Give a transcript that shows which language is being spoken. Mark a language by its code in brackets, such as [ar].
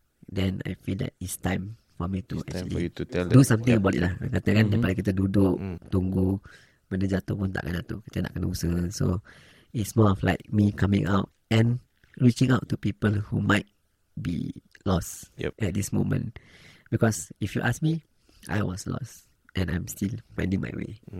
[en] Then I feel that it's time for me to do something about it lah. [ms] Katakan daripada kita duduk tunggu benda jatuh pun takkan jatuh. Kita nak kena usaha. [en] So it's more of like me coming out and reaching out to people who might be lost at this moment. Because if you ask me, I was lost and I'm still finding my way.